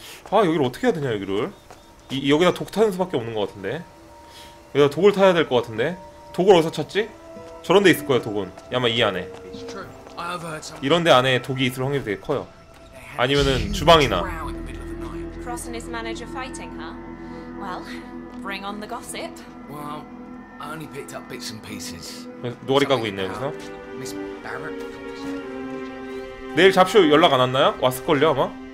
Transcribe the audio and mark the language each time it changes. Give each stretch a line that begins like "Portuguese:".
Korean: 아, 여기를 어떻게 해야 되냐, 여기를. 여기다 독 타는 수밖에 없는 것 같은데. 여기다 독을 타야 될 것 같은데. 독을 어디서 찾지? 저런 데 있을 거야, 독은. 아마 이 안에. 이런 데 안에 독이 있을 확률이 되게 커요. 아니면은 주방이나.
English: Cross and his manager fighting, huh? Well, bring on the gossip. Well. I only picked up bits and pieces.
Korean: 노가리 까고 있네 여기서. 내일 잡쇼 연락 안 왔나요? 왔을걸요 아마?